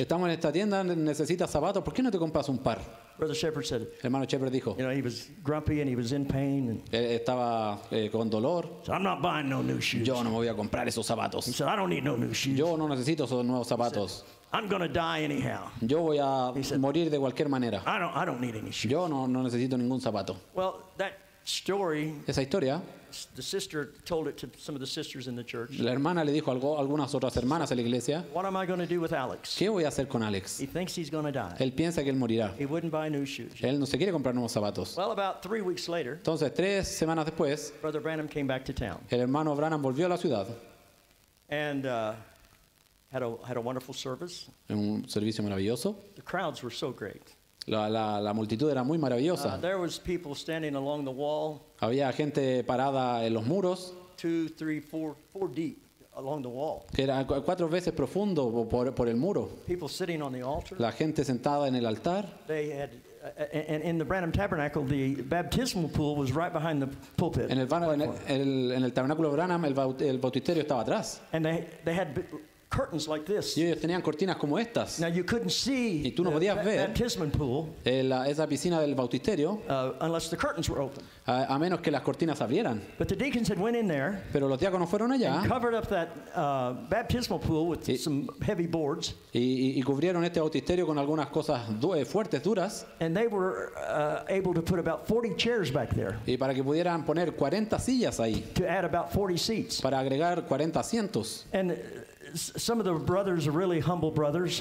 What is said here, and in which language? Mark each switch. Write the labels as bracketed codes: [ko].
[es] Estamos en esta tienda, necesitas zapatos. ¿Por qué no te compras un par? [en] Brother Shepherd said, [es] hermano Shepherd dijo, [en] you know, he was grumpy and he was in pain. [es] Él estaba con dolor. [en] So I'm not buying no new shoes. [es] Yo no me voy a comprar esos zapatos. [en] He said, I don't need no new shoes. [es] Yo no necesito esos nuevos zapatos. [en] I'm going to die anyhow. [es] Yo voy a morir de cualquier manera. [en] I don't need any shoes. [es] Yo no necesito ningún zapato. [en] Well, that story, [es] esa historia, [en] the sister told it to some of the sisters in the church. [es] La hermana le dijo algo a algunas otras hermanas de la iglesia. [en] What am I going to do with Alex? [es] ¿Qué voy a hacer con Alex? [en] He thinks he's going to die. [es] Él piensa que él morirá. [en] He wouldn't buy new shoes. [es] Él no se quiere comprar nuevos zapatos. [en] Well, about 3 weeks later, [es] entonces, 3 semanas después, [en] Brother Branham came back to town. [es] El hermano Branham volvió a la ciudad. [en] And had a wonderful service. [es] En un servicio maravilloso. [en] The crowds were so great. [es] La multitud era muy maravillosa. [en] There was people standing along the wall. [es] Había gente parada en los muros. [en] 2, 3, 4 deep along the wall. [es] Que era 4 veces profundo por el muro. [en] People sitting on the altar. [es] La gente sentada en el altar. [en] They had and in the Branham Tabernacle, the baptismal pool was right behind the pulpit. [es] En el tabernáculo Branham, el bautisterio estaba atrás. [en] And they had curtains like this. [es] Y ellos tenían cortinas como estas. [en] Now you couldn't see the baptismal pool. [es] Esa piscina del bautisterio. [en] Unless the curtains were open. [es] A menos que las cortinas abrieran. [en] But the deacons had went in there. [es] Pero los diáconos fueron allá. [en] And covered up that baptismal pool with some heavy boards. [es] Y cubrieron este bautisterio con algunas cosas fuertes, duras. [en] And they were able to put about 40 chairs back there. [es] Y para que pudieran poner 40 sillas ahí. [en] To add about 40 seats. [es] Para agregar 40 asientos. [en] And some of the brothers are really humble brothers.